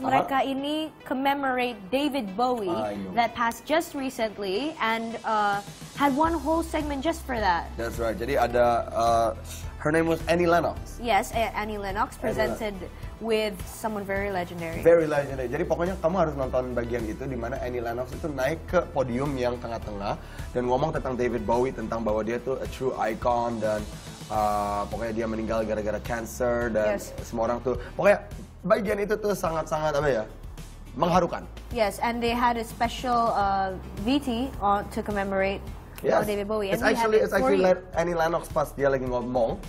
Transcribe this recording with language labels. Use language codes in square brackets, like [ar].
[en] Mereka ini commemorate David Bowie that passed just recently and had one whole segment just for that. That's right. [id] Jadi ada [en] her name was Annie Lennox. Yes, Annie Lennox presented with someone very legendary. Very legendary. [id] Jadi pokoknya kamu harus nonton bagian itu di mana Annie Lennox itu naik ke podium yang tengah-tengah dan ngomong tentang David Bowie, tentang bahwa dia tuh [en] a true icon [id] dan pokoknya dia meninggal gara-gara cancer dan semua orang tuh. Pokoknya bagian itu tuh sangat-sangat apa ya? Mengharukan. [en] Yes, and they had a special VT to commemorate David Bowie. It's actually let Annie Lennox pass [id] dia lagi ngomong.